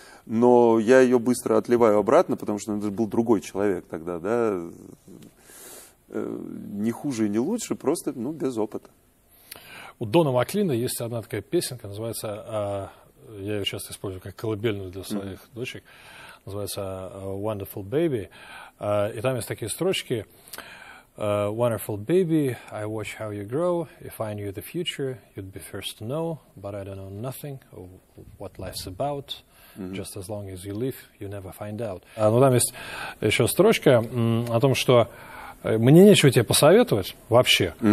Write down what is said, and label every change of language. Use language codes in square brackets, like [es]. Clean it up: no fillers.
[ru] Но я ее быстро отливаю обратно, потому что это был другой человек тогда, да, не хуже и не лучше, просто, ну, без опыта. У Дона Маклина есть одна такая песенка, называется, я ее часто использую как колыбельную для своих дочек, называется «Wonderful Baby», и там есть такие строчки: [en] «Wonderful baby, I watch how you grow. If I knew the future, you'd be first to know, but I don't know nothing of what life's about. Just as long as you live, you never find out». [ru] Ну, там есть еще строчка о том, что мне нечего тебе посоветовать вообще.